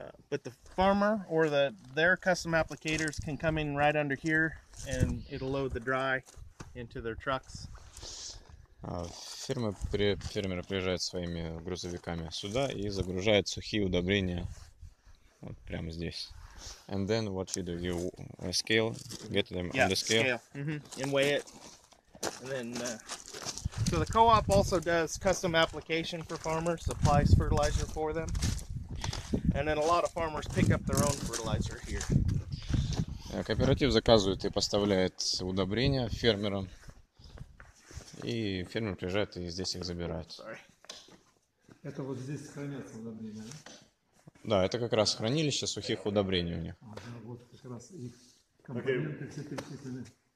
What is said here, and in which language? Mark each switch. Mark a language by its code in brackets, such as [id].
[en] But the farmer or the their custom applicators can come in right under here and it'll load the dry. Into their trucks. [ru] Фермеры приезжают своими грузовиками сюда и загружают сухие удобрения вот прямо здесь. [en] And then what you do? You scale, get them yeah, on the scale. Yeah, scale. Mm-hmm. And weigh it. And then, so the co-op also does custom application for farmers, supplies fertilizer for them. And then a lot of farmers pick up their own fertilizer here. [ru] Кооператив заказывает и поставляет удобрения фермерам, и фермер приезжает и здесь их забирает. Это вот здесь хранятся удобрения, да? Да, это как раз хранилище сухих удобрений у них. Ага, вот как раз их компоненты все перечислены.